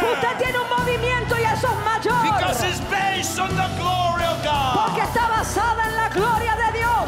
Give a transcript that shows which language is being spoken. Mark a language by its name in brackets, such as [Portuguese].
[Spanish] Usted tiene un movimiento y eso es mayor. [English] Because it's based on the glory of God. [Spanish] Porque está basada en la gloria de Dios.